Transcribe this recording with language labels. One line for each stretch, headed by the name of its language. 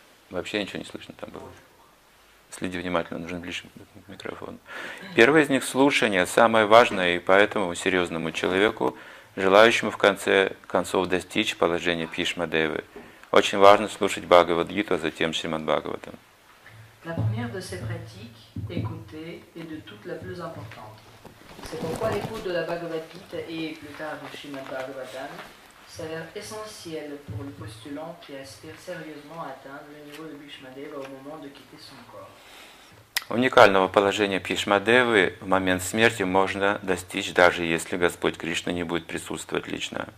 Russian: Вообще ничего не слышно там было. Следи внимательно, нужен ближе микрофон. Первое из них – слушание, самое важное, и поэтому серьезному человеку, желающему в конце концов достичь положения Бхишмадевы, очень важно слушать Бхагавад-гиту, а затем Шримад-Бхагавата.
French: La première de ces pratiques, écouter, est de toutes la plus importante. C'est pourquoi l'écoute de la Bhagavad-gita et plus tard du Shrimad-Bhagavatam s'avère essentiel pour le postulant qui aspire sérieusement à atteindre le niveau de Bhishmadeva au moment de quitter son corps.
Russian: Уникального положения Бхишмадевы в момент смерти можно достичь, даже если Господь Кришна не будет присутствовать лично.